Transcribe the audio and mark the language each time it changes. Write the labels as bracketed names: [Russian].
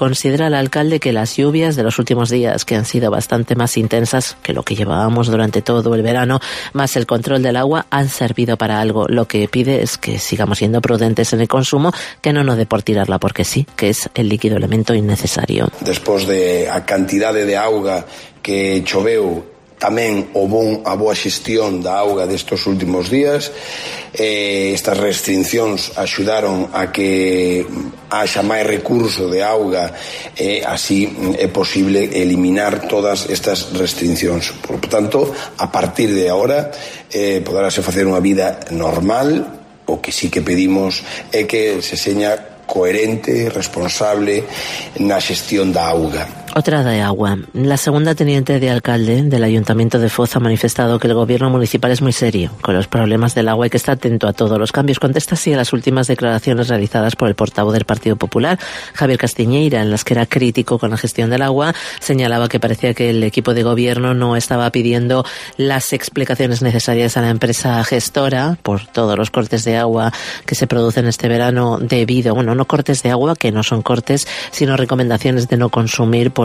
[Spanish] Considera el alcalde que las lluvias de los últimos días, que han sido bastante más intensas que lo que llevábamos durante todo el verano, más el control del agua, han servido para algo. Lo que pide es que sigamos siendo prudentes en el consumo, que no nos dé por tirarla, porque sí, que es el líquido elemento innecesario. [Galician] Después de a cantidade de auga que choveu, tamén a boa xestión da auga destos últimos días, estas restriccións axudaron a que haxa máis recurso de auga, así é posible eliminar todas estas restriccións. Por tanto, a partir de ahora poderase facer unha vida normal. O que sí que pedimos é que se seña coherente, responsable na xestión da auga. [Spanish] Otra de agua. La segunda teniente de alcalde del Ayuntamiento de Foz ha manifestado que el gobierno municipal es muy serio con los problemas del agua y que está atento a todos los cambios. Contesta así a las últimas declaraciones realizadas por el portavoz del Partido Popular, Javier Castiñeira, en las que era crítico con la gestión del agua. Señalaba que parecía que el equipo de gobierno no estaba pidiendo las explicaciones necesarias a la empresa gestora por todos los cortes de agua que se producen este verano debido, bueno, no cortes de agua, que no son cortes, sino recomendaciones de no consumir por